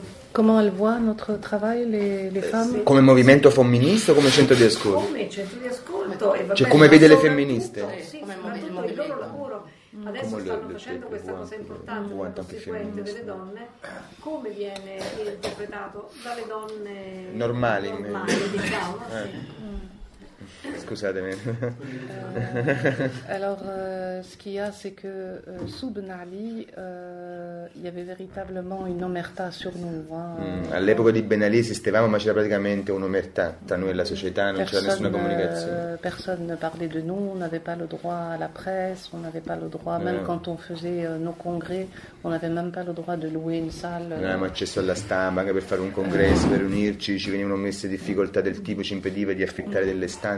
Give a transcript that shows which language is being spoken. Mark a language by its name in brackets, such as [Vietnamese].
[French] Come elle voit notre travail, les femmes? [Italian] Sì. Come movimento femminista o come centro di ascolto? Come centro di ascolto, e vabbè, cioè come vede le femministe? Sì, come il loro lavoro. Adesso come stanno facendo questa cosa importante, molto seguente delle donne. Come viene interpretato dalle donne normali diciamo? Scusatemi. [French] Ce qu'il y a, c'est que sous Ben Ali, il y avait véritablement une omerta sur nous. [Italian] All'epoca di Ben Ali esistevamo, ma c'era praticamente un'omerta tra noi e la società, non c'era nessuna comunicazione. [French] Personne ne parlait de nous, on n'avait pas le droit à la presse, on n'avait pas le droit, même quand on faisait nos congrès, on n'avait même pas le droit de louer une salle. [Italian] Non avevamo accesso alla stampa, anche per fare un congresso, per unirci, ci venivano messe difficoltà del tipo, ci impediva di affittare delle stanze.